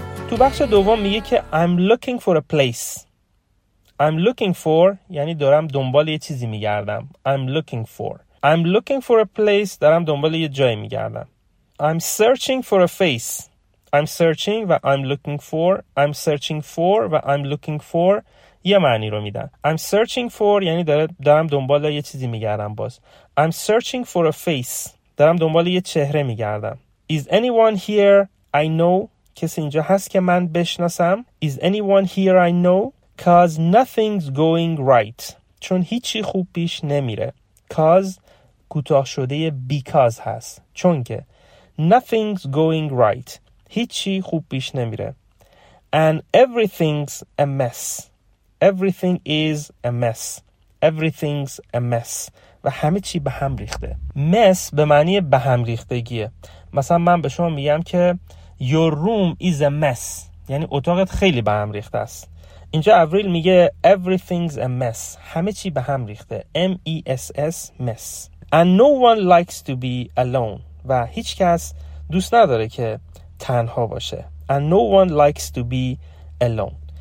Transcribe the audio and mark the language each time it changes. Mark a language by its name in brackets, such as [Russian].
[Persian] تو بخش دوم میگه که [English] I'm looking for a place. I'm looking for [Persian] یعنی دارم دنبال یه چیزی میگردم. [English] I'm looking for a place. [Persian] دارم دنبال یه جایی میگردم. [English] I'm searching for a face. I'm searching و I'm looking for. I'm searching for و I'm looking for [Persian] یه معنی رو میدن. I'm searching for یعنی دارم دنبال یه چیزی میگردم باز. [English] I'm searching for a face. [Persian] دارم دنبال یه چهره میگردم. [English] Is anyone here I know? [Persian] کسی اینجا هست که من بشناسم؟ [English] Is anyone here I know? Cause nothing's going right. [Persian] چون هیچی خوب پیش نمیره. Cause کوتاه شده because هست. چون که [English] nothing's going right. [Persian] هیچی خوب پیش نمیره. [English] And everything's a mess. Everything is a mess. Everything's a mess. [Persian] و همه چی به هم ریخته. Mess به معنی به هم ریختگیه. مثلا من به شما میگم که [English] Your room is a mess. [Persian] یعنی اتاقت خیلی به هم ریخته است. اینجا اوریل میگه [English] Everything's a mess. [Persian] همه چی به هم ریخته. M-E-S-S mess. [English] And no one likes to be alone. [Persian] و هیچ کس دوست نداره که تنها باشه. [English] And no one likes to be alone.